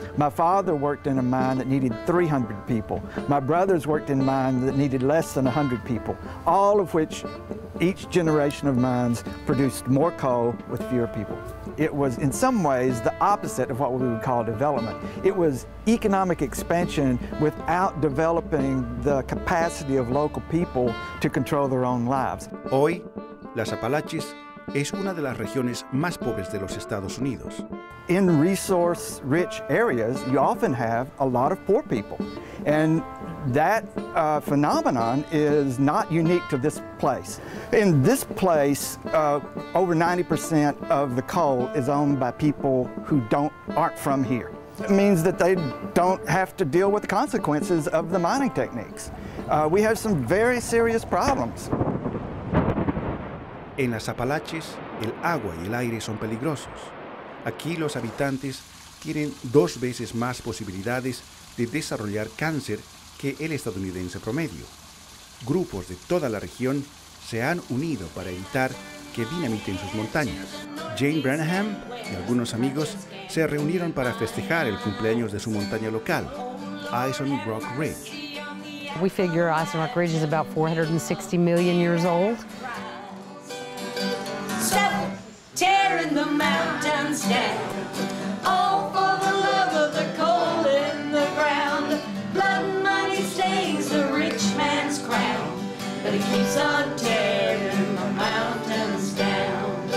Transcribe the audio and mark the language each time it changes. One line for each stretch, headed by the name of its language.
English: My father worked in a mine that needed 300 people. My brothers worked in mines that needed less than 100 people, all of which each generation of mines produced more coal with fewer people. It was, in some ways, the opposite of what we would call development. It was economic expansion without developing the capacity of local people to control their own lives.
Spanish: Hoy, las Apalaches es una de las regiones más pobres de los Estados Unidos.
English: In resource-rich areas, you often have a lot of poor people. And that phenomenon is not unique to this place. In this place, over 90% of the coal is owned by people who aren't from here. It means that they don't have to deal with the consequences of the mining techniques. We have some very serious problems.
Spanish: En las Apalaches, el agua y el aire son peligrosos. Aquí los habitantes tienen dos veces más posibilidades de desarrollar cáncer que el estadounidense promedio. Grupos de toda la región se han unido para evitar que dinamiten sus montañas. Jane Branham y algunos amigos se reunieron para festejar el cumpleaños de su montaña local, Iceland Rock Ridge.
English: We figure Iceland Rock Ridge is about 460 million years old. Tearing the mountains down, all for the love of the coal in the ground. Blood and money stains the rich man's crown, but he keeps on tearing the mountains down.